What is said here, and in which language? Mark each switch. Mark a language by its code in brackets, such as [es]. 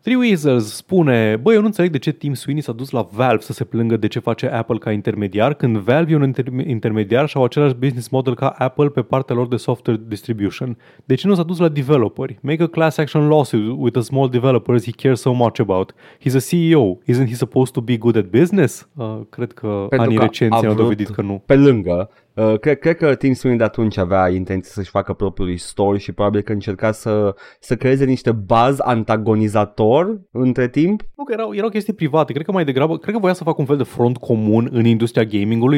[ro] Three Weasels spune, băi, eu nu înțeleg de ce Tim Sweeney s-a dus la Valve să se plângă de ce face Apple ca intermediar, când Valve e un intermediar și au același business model ca Apple pe partea lor de software distribution. De ce nu s-a dus la developeri? [en] Make a class action lawsuit with a small developer he cares so much about. He's a CEO. Isn't he supposed to be good at business? [ro] Cred că pentru anii recenți au dovedit că nu. Pe lângă, cred că Tim Sweeney de atunci avea intenție să-și facă propriul story și probabil că încerca să creeze niște buzz antagonizator între timp. Nu, că erau chestii private. Cred că voia să facă un fel de front comun în industria gamingului.